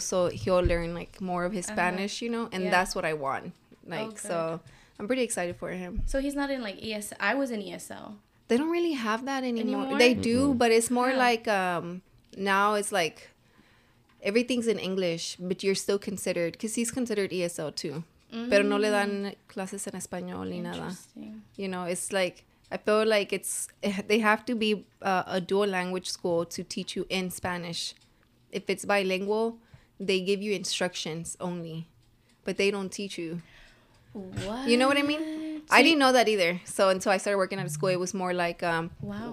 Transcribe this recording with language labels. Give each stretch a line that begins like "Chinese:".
English: So, he'll learn, like, more of his uh-huh. Spanish, you know. And yeah. That's what I want. Like, oh, good. So... I'm pretty excited for him. So he's not in like ESL. I was in ESL. They don't really have that anymore. They mm-hmm. do, but it's more yeah. like now it's like everything's in English, but you're still considered, because he's considered ESL too. Mm-hmm.
Spanish: Pero no le dan clases en español ni nada.
English: You know, it's like, I feel like they have to be a dual language school to teach you in Spanish. If it's bilingual, they give you instructions only, but they don't teach you. What? You know what I mean? So I didn't know that either. So until I started working at a school, it was more like wow.